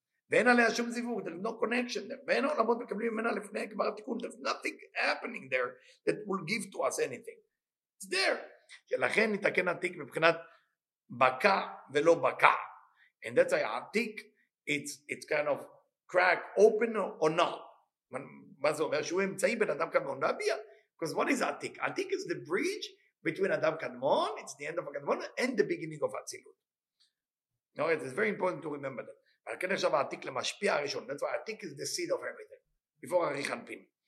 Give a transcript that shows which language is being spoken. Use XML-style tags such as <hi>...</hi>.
<he>ואין עליה שום זיווג,</he> <en>there's no connection there,</en> <he>ואין עולמות מקבלים ממנה לפני כבר התיקון,</he> <en>there's nothing happening there that will give to us anything. It's there.</en> <he>שלכן נתקן עתיק מבחינת בקע ולא בקע.</he> <en>And that's why עתיק, it's kind of crack, open or not.</en> <he>מה זה אומר? שהוא אמצעי בין אדם קדמון ואביע.</he> <en>Because what is עתיק? עתיק is the bridge between אדם קדמון, it's the end of הקדמון, and the beginning of הצילות. No, it's very important to remember that.</en> <he>הרכן עכשיו העתיק למשפיע הראשון,</he> <en>that's why העתיק is the seed of everything, before Arech Hanpin.</en>